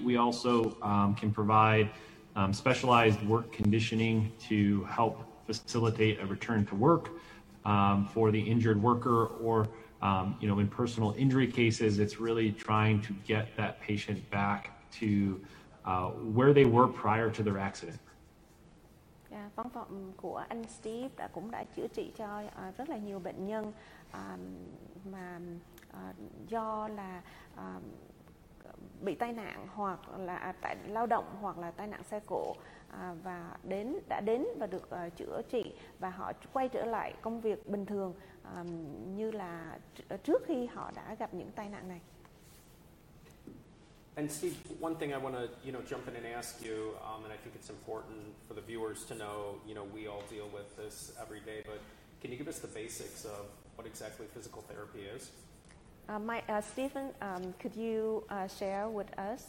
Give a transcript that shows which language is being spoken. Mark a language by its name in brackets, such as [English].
[English] We also can provide specialized work conditioning to help facilitate a return to work for the injured worker, or in personal injury cases, it's really trying to get that patient back to where they were prior to their accident. [Vietnamese] Yeah, văn phòng của anh Steve đã cũng đã chữa trị cho rất là nhiều bệnh nhân mà do là bị tai nạn hoặc là tại lao động hoặc là tai nạn xe cộ và đã đến và được chữa trị và họ quay trở lại công việc bình thường như là trước khi họ đã gặp những tai nạn này. [English] And Steve, one thing I want to, jump in and ask you, and I think it's important for the viewers to know, we all deal with this every day, but can you give us the basics of what exactly physical therapy is? Stephen, could you share with us?